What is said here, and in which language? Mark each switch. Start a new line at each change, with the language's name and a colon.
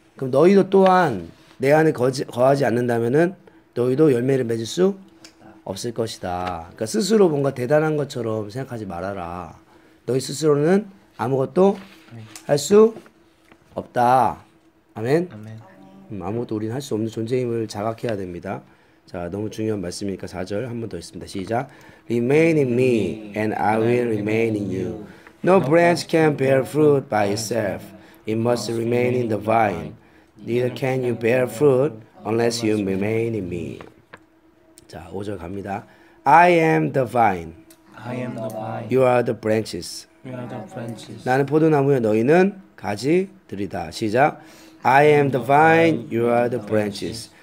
Korean: 그럼 너희도 또한 내 안에 거하지 않는다면은 너희도 열매를 맺을 수 없을 것이다. 그러니까 스스로 뭔가 대단한 것처럼 생각하지 말아라. 너희 스스로는 아무것도 할 수 없다. 아멘. 아멘. 아무것도 우리는 할 수 없는 존재임을 자각해야 됩니다. 자, 너무 중요한 말씀이니까 4절 한 번 더 있습니다. 시작.
English: Remain in me and I will remain in you. No branch can bear fruit by itself. It must remain in the vine. Neither can you bear fruit unless you remain in me.
Korean: 자, 5절 갑니다.
English: I am the vine. I am the vine. You are the branches. You are the branches.
Korean: 나는 포도나무요 너희는 가지들이다. 시작.
English: I am the vine, you are the branches.